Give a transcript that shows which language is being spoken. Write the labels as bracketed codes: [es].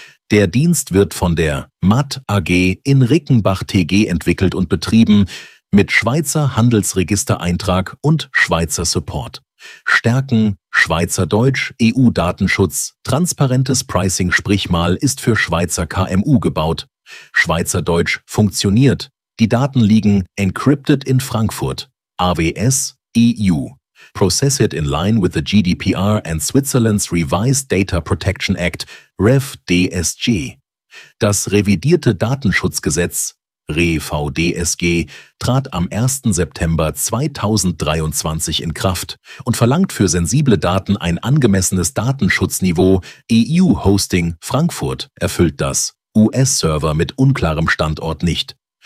[de] Der Dienst wird von der MAT AG in Rickenbach TG entwickelt und betrieben, mit Schweizer Handelsregistereintrag und Schweizer Support. Stärken: Schweizerdeutsch, EU-Datenschutz, transparentes Pricing, sprich mal, ist für Schweizer KMU gebaut. Schweizerdeutsch funktioniert. Die Daten liegen encrypted in Frankfurt, AWS, EU. [en] Processed in line with the GDPR and Switzerland's Revised Data Protection Act, REVDSG. [de] Das revidierte Datenschutzgesetz, REVDSG, trat am 1. September 2023 in Kraft und verlangt für sensible Daten ein angemessenes Datenschutzniveau. EU Hosting Frankfurt erfüllt das. US-Server mit unklarem Standort nicht.